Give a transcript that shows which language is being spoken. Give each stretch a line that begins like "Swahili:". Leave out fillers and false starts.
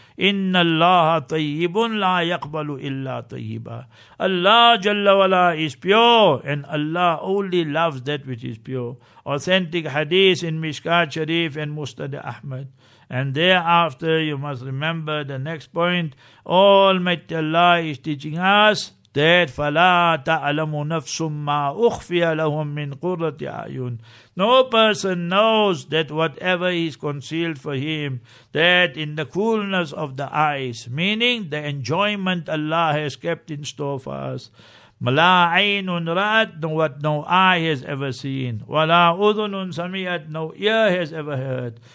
Arabic: Inna Allah tayyibun la yaqbalu illa tayyiba.
English: Allah Jalla wa'ala is pure, and Allah only loves that which is pure. Authentic hadith in Mishkat Sharif and Mustad Ahmad. And thereafter, you must remember the next point. Almighty Allah is teaching us that
Arabic: فَلَا تَعْلَمُ نَفْسٌ مَا أُخْفِيَ لَهُمْ مِنْ قُرَّةِ عَيُّنْ.
English: No person knows that whatever is concealed for him, that in the coolness of the eyes, meaning the enjoyment Allah has kept in store for us.
Arabic: مَلَا عَيْنٌ رَأَتْ,
English: what no eye has ever seen.
Arabic: وَلَا أُذُنٌ سَمِيَتْ,
English: no ear has ever heard.